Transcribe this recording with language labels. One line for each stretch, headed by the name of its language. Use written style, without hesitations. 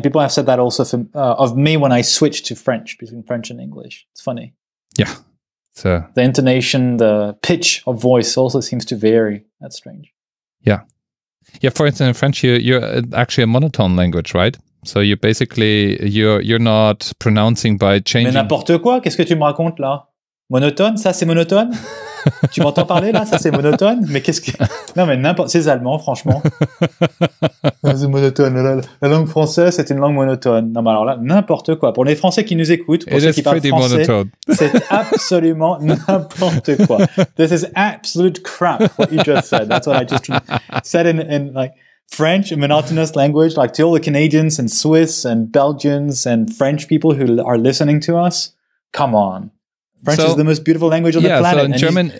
English: People have said that also of me when I switched to French, between French and English. It's funny. Yeah. So the intonation, the pitch of voice also seems to vary. That's strange. Yeah. Yeah. For instance, in French, you're actually a monotone language, right? So you're basically, you're not pronouncing by changing.
French: Mais n'importe quoi. Qu'est-ce que tu me racontes là? Monotone? Ça, c'est monotone? Tu m'entends parler là? Ça, c'est monotone? Mais qu'est-ce que... Non, mais n'importe... C'est allemand, franchement. C'est monotone. La langue française, c'est une langue monotone. Non, mais alors là, n'importe quoi. Pour les Français qui nous écoutent, pour ceux qui parlent français, monotone. C'est absolument n'importe quoi.
English: This is absolute crap, what you just said. That's what I just said in like French, a monotonous language, like to all the Canadians and Swiss and Belgians and French people who are listening to us. Come on. French is the most beautiful language on the planet. So in German,